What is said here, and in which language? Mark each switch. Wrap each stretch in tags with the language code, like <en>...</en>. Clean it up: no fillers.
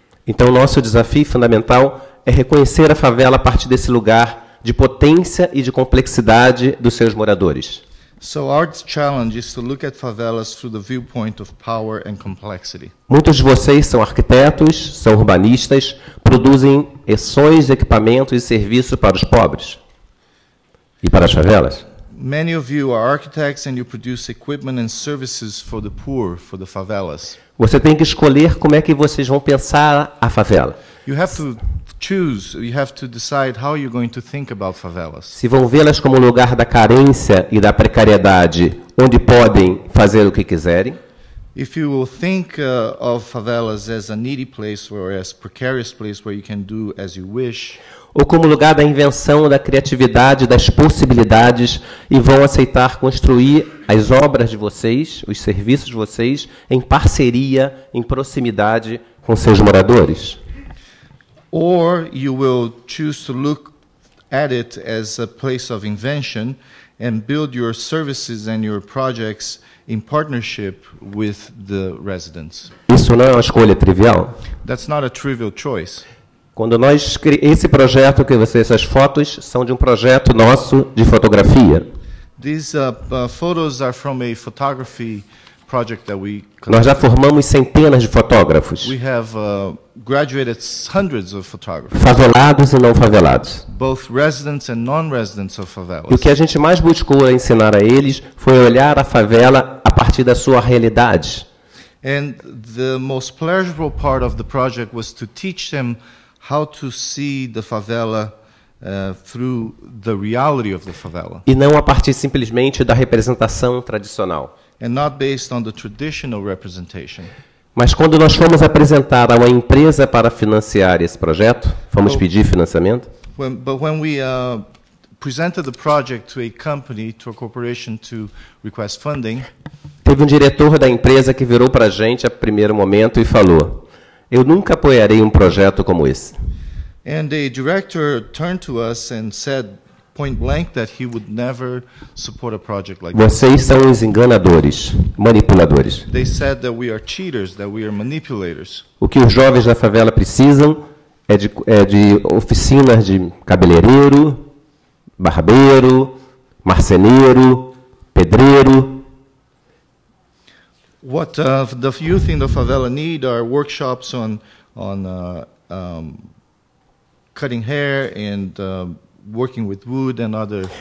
<pt>Então nosso desafio fundamental é reconhecer a favela a partir desse lugar de potência e de complexidade dos seus moradores.</pt> <en>So our challenge is to look at favelas through the viewpoint of power and complexity.</en> <pt>Muitos de vocês são arquitetos, são urbanistas, produzem ações, equipamentos e serviços para os pobres e para as favelas.</pt> <en>Many of you are architects and you produce equipment and services for the poor, for the favelas.</en> <pt>Você tem que escolher como é que vocês vão pensar a favela.</pt> <en>You have to choose, you have to decide how you're going to think about favelas.</en> <pt>Se vão vê-las como um lugar da carência e da precariedade, onde podem fazer o que quiserem.</pt> <en>If you will think of favelas as a needy place or as a precarious place where you can do as you wish.</en> <pt>Ou como lugar da invenção, da criatividade, das possibilidades, e vão aceitar construir as obras de vocês, os serviços de vocês, em parceria, em proximidade com seus moradores.</pt> <en>Or you will choose to look at it as a place of invention and build your services and your projects in partnership with the residents.</en> <pt>Isso não é uma escolha trivial?</pt> <en>That's not a trivial choice.</en> <pt>Quando nós esse projeto que vocês essas fotos são de um projeto nosso de fotografia.</pt> <en>These photos are from a photography project that we conducted.</en> <pt>Nós já formamos centenas de fotógrafos.</pt> <en>We have graduated hundreds of photographers.</en> <pt>Favelados e não favelados.</pt> <en>Both residents and non-residents of favelas.</en> <pt>E o que a gente mais buscou ensinar a eles foi olhar a favela a partir da sua realidade.</pt> <en>And the most pleasurable part of the project was to teach them how to see the favela through the reality of the favela.</en> <pt>E não a partir simplesmente da representação tradicional.</pt> <en>And not based on the traditional representation.</en> <pt>Mas quando nós fomos apresentar a uma empresa para financiar esse projeto, fomos pedir financiamento.</pt> <en>When we presented the project to a company, to a corporation to request funding.</en> <pt>Teve um diretor da empresa que virou para a gente a primeiro momento e falou: eu nunca apoiarei um projeto como esse.</pt> <en>And a director turned to us and said point blank that he would never support a project like this.</en> <pt>Vocês são os enganadores, manipuladores.</pt> <en>They said that we are cheaters, that we are manipulators.</en> <pt>O que os jovens da favela precisam é de oficinas de cabeleireiro, barbeiro, marceneiro, pedreiro.</pt> <en>What the youth in the favela need are workshops on cutting hair and working with wood and other.</en>